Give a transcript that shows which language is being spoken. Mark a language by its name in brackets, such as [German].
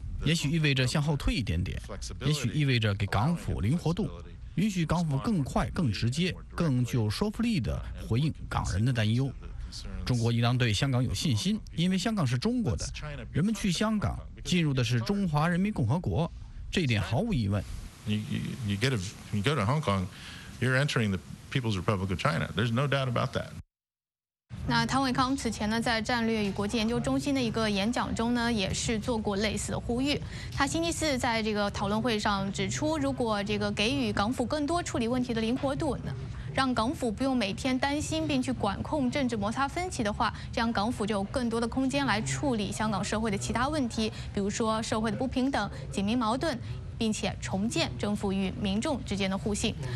[Chinese] 也许意味着向后退一点点，也许意味着给港府灵活度，允许港府更快、更直接、更具有说服力地回应港人的担忧。中国应当对香港有信心，因为香港是中国的，人们去香港进入的是中华人民共和国，这一点毫无疑问。 [English] You go to Hong Kong, you're entering the People's Republic of China. There's no doubt about that. [Chinese] 那唐伟康此前呢，在战略与国际研究中心的一个演讲中呢，也是做过类似的呼吁。他星期四在这个讨论会上指出，如果这个给予港府更多处理问题的灵活度呢，让港府不用每天担心并去管控政治摩擦分歧的话，这样港府就有更多的空间来处理香港社会的其他问题，比如说社会的不平等、警民矛盾，并且重建政府与民众之间的互信。